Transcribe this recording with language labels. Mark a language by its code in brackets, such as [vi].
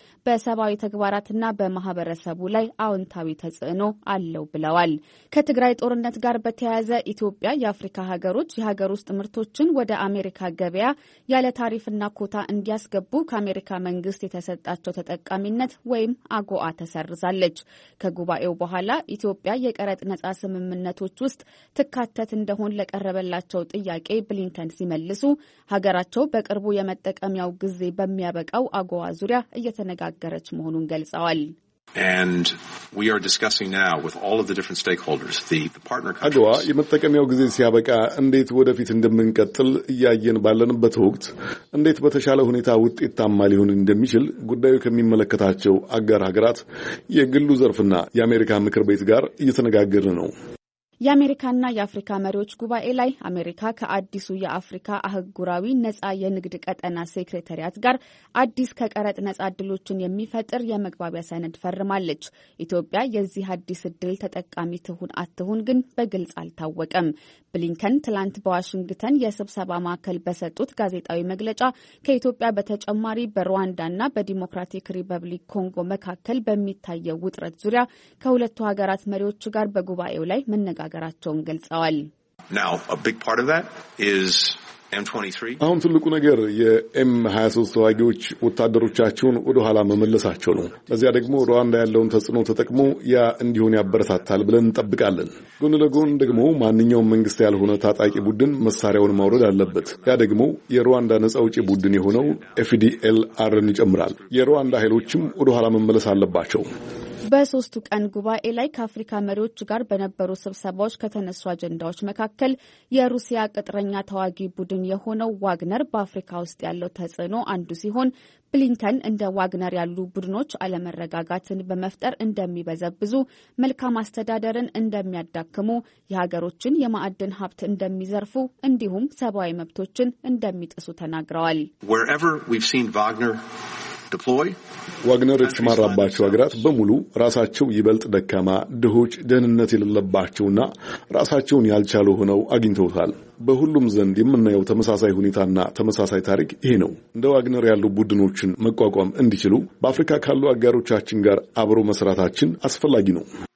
[am] በሰብአዊ ተግባራትና በማህበረሰቡ ላይ አዎንታዊ ተጽዕኖ አለው ብለዋል። ከትግራይ ጦርነት ጋር በተያያዘ ኢትዮጵያ የአፍሪካ ሀገሮች የሀገር ውስጥ ምርቶችን ወደ አሜሪካ ገበያ ያለ ታሪፍና ኮታ እንዲያስገቡ ከአሜሪካ መንግስት የተሰጣቸው ተጠቃሚነት ወይም አጎአ ተሰርዛለች። ከጉባኤው በኋላ ኢትዮጵያ የቀረጥ ነጻ ስምምነቶች ውስጥ ትካተት እንደሆን ለቀረበላቸው ጥያቄ ብሊንከን ሲመልሱ ሀገራቸው በቅርቡ የመጠቀሚያው ጊዜ በሚያበቃው አጎዋ ዙሪያ እየተነጋገረች መሆኑን ገልጸዋል። [en] And we are discussing now with all of the different stakeholders the partner countries. [am] አጎዋ የመጠቀሚያው ጊዜ ሲያበቃ እንዴት ወደፊት እንደምንቀጥል እያየን ባለንበት ወቅት እንዴት በተሻለ ሁኔታ ውጤታማ ሊሆን እንደሚችል ጉዳዩ ከሚመለከታቸው አጋር ሀገራት የግሉ ዘርፍና የአሜሪካ ምክር ቤት ጋር እየተነጋገርን ነው። የአሜሪካና የአፍሪካ መሪዎች ጉባኤ ላይ አሜሪካ ከአዲሱ የአፍሪካ አህጉራዊ ነጻ የንግድ ቀጠና ሴክሬታሪያት ጋር አዲስ ከቀረጥ ነጻ ድሎችን የሚፈጥር የመግባቢያ ሰነድ ፈርማለች። ኢትዮጵያ የዚህ አዲስ ድል ተጠቃሚ ትሁን አትሁን ግን በግልጽ አልታወቀም። ብሊንከን ትላንት በዋሽንግተን የስብሰባ ማዕከል በሰጡት ጋዜጣዊ መግለጫ ከኢትዮጵያ በተጨማሪ በሩዋንዳና በዲሞክራቲክ ሪፐብሊክ ኮንጎ መካከል በሚታየው ውጥረት ዙሪያ ከሁለቱ ሀገራት መሪዎች ጋር በጉባኤው ላይ መነጋገራቸውን ገልጸዋል። [en] Now a big part of that is M23. [am] አሁን ትልቁ ነገር የM23 ተዋጊዎች ወታደሮቻቸውን ወደ ኋላ መመለሳቸው ነው። በዚያ ደግሞ ሩዋንዳ ያለውን ተጽዕኖ ተጠቅሞ ያ እንዲሆን ያበረታታል ብለን እንጠብቃለን። ጎን ለጎን ደግሞ ማንኛውም መንግስት ያልሆነ ታጣቂ ቡድን መሳሪያውን ማውረድ አለበት። ያ ደግሞ የሩዋንዳ ነጻ አውጪ ቡድን የሆነው FDLR-ን ይጨምራል። የሩዋንዳ ኃይሎችም ወደ ኋላ መመለስ አለባቸው። በሶስቱ ቀን ጉባኤ ላይ ከአፍሪካ መሪዎች ጋር በነበሩ ስብሰባዎች ከተነሱ አጀንዳዎች መካከል የሩሲያ ቅጥረኛ ተዋጊ ቡድን የሆነው ዋግነር በአፍሪካ ውስጥ ያለው ተጽዕኖ አንዱ ሲሆን፣ ብሊንከን እንደ ዋግነር ያሉ ቡድኖች አለመረጋጋትን በመፍጠር እንደሚበዘብዙ፣ መልካም አስተዳደርን እንደሚያዳክሙ፣ የሀገሮችን የማዕድን ሀብት እንደሚዘርፉ እንዲሁም ሰብአዊ መብቶችን እንደሚጥሱ ተናግረዋል። [en] Wherever we've seen Wagner deploy [am] ዋግነር የተሰማራባቸው ሀገራት በሙሉ ራሳቸው ይበልጥ ደካማ፣ ድሆች፣ ደህንነት የሌለባቸውና ራሳቸውን ያልቻሉ ሆነው አግኝተውታል። በሁሉም ዘንድ የምናየው ተመሳሳይ ሁኔታና ተመሳሳይ ታሪክ ይሄ ነው። እንደ ዋግነር ያሉ ቡድኖችን መቋቋም እንዲችሉ በአፍሪካ ካሉ አጋሮቻችን ጋር አብሮ መስራታችን አስፈላጊ ነው።